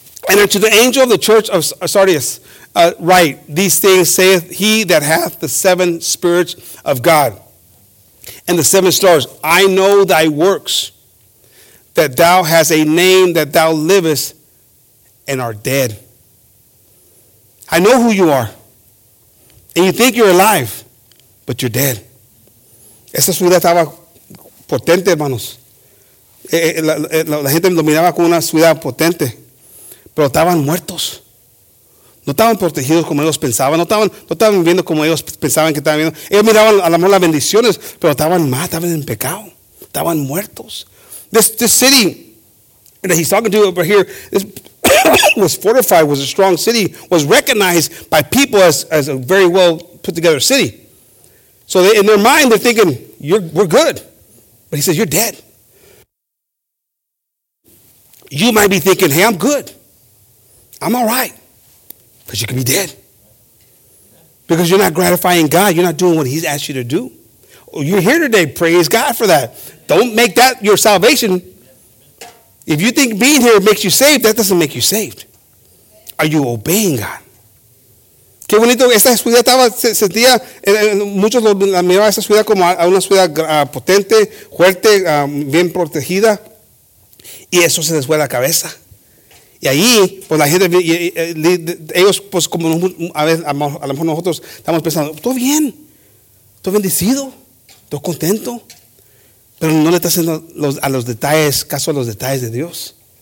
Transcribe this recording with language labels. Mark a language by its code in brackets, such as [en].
[en] And unto the angel of the church of Sardis write, these things saith he that hath the seven spirits of God and the seven stars. I know thy works, that thou hast a name, that thou livest and art dead. I know who you are. And you think you're alive, but you're dead. [es] Esa ciudad estaba potente, hermanos. La gente lo miraba como una ciudad potente. Pero estaban muertos. No estaban protegidos como ellos pensaban. No estaban viviendo como ellos pensaban que estaban viviendo. Ellos miraban a lo mejor las bendiciones, pero estaban mal, estaban en pecado. Estaban muertos. [en] This city that he's talking to over here, this was fortified, was a strong city, was recognized by people as a very well put together city. So they, in their mind, they're thinking, we're good. But he says, you're dead. You might be thinking, hey, I'm good. I'm all right, because you could be dead. Because you're not gratifying God. You're not doing what he's asked you to do. Oh, you're here today. Praise God for that. Don't make that your salvation. If you think being here makes you saved, that doesn't make you saved. Are you obeying God? [es] Qué bonito. Esta ciudad estaba, sentía, muchos la miraban esta ciudad como a una ciudad potente, fuerte, bien protegida. Y eso se les fue a la cabeza. Y ahí, pues la gente, ellos, pues como a lo mejor nosotros estamos pensando, todo bien, todo bendecido, todo contento, pero no le está haciendo caso a los detalles de Dios.